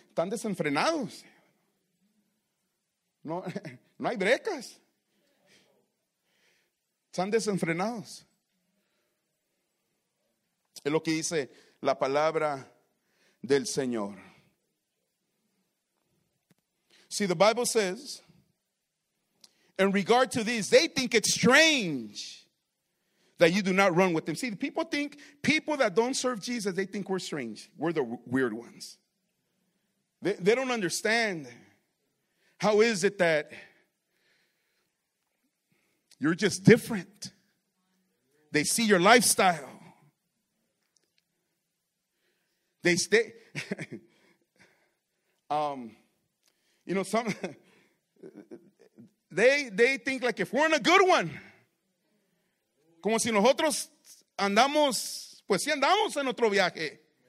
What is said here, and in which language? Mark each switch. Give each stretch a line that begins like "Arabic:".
Spanish: Están desenfrenados. No hay brecas. Están desenfrenados. Es lo que dice la palabra del Señor.
English: See, the Bible says, in regard to this, they think it's strange that you do not run with them. See, the people think, people that don't serve Jesus, they think we're strange. We're the weird ones. They don't understand. How is it that you're just different? They see your lifestyle. They stay. you know, some they think like if we're in a good one.
Spanish: Como si nosotros andamos, pues sí andamos en otro viaje.